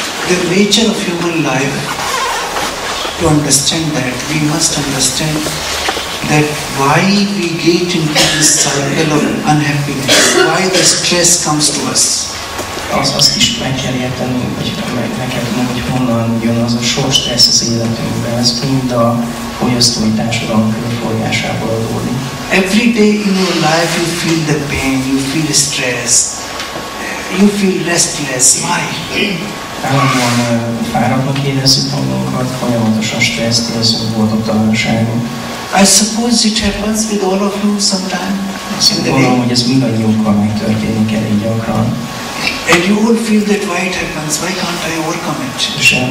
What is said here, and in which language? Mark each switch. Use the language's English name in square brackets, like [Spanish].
[English] the nature of human life, to understand that, we must understand that why we get into this cycle of unhappiness, why the stress comes to us. [Hungarian] Azt is meg kell érteni, hogy meg kell tudnom, hogy honnan jön az a sok stressz az életünkben. Ez mind a fogyasztói társadalom körforgásából adódik. [English] Every day in your life you feel the pain, you feel stress, you feel restless. Why? [Hungarian] Állandóan fáradtnak érezzük magunkat, folyamatosan stresszt érzünk, boldogtalanságunk. [English] I suppose it happens with all of you sometimes. [Hungarian] Azt gondolom, hogy ez mindannyiunkkal megtörténik elég gyakran. [English] And you all feel that why it happens, why can't I overcome it?